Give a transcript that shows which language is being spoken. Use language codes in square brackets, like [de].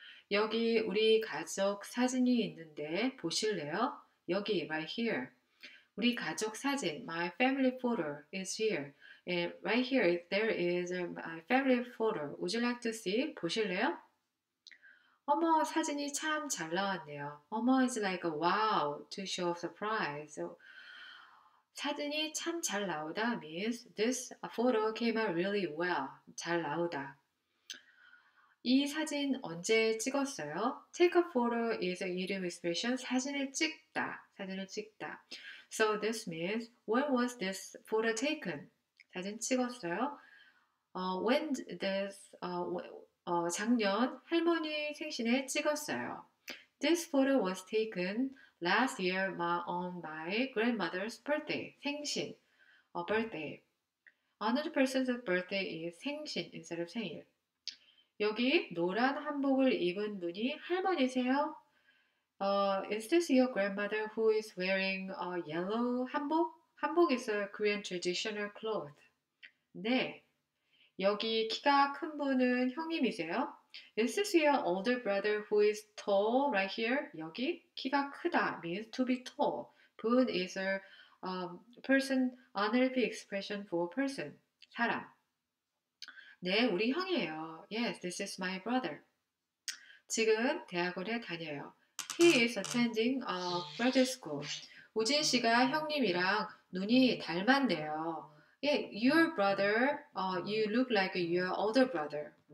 [ko] 여기 우리 가족 사진이 있는데 보실래요? 여기, [en] right here. [ko] 우리 가족 사진, [en] my family photo is here. And right here, there is my family photo. Would you like to see? [ko] 보실래요? 어머, 사진이 참잘 나왔네요. [en] 어머 is like a wow to show surprise. So, [ko] 사진이 참잘 나오다 [en] means this photo came out really well. [ko] 잘 나오다. 이 사진 언제 찍었어요? [en] Take a photo is an idiom expression. [ko] 사진을 찍다. 사진을 찍다. [en] So this means when was this photo taken? [ko] 사진 찍었어요? [en] When this [ko] 작년 할머니 생신에 찍었어요. [en] This photo was taken last year on my grandmother's birthday. 생신, birthday. Another person's birthday is 생신 instead of 생일. [ko] 여기 노란 한복을 입은 분이 할머니세요? [en] Is this your grandmother who is wearing a yellow 한복? 한복 is a Korean traditional cloth. 네. [ko] 여기 키가 큰 분은 형님이세요? [en] Is this your older brother who is tall right here? [ko] 여기 키가 크다 [en] means to be tall. Bun is a person, honorific expression for person, 사람. [ko] 네, 우리 형이에요. [en] Yes, this is my brother. [ko] 지금 대학원에 다녀요. [en] He is attending a graduate school. [ko] 우진 씨가 형님이랑 눈이 닮았네요. [en] Yeah, your brother, you look like your older brother.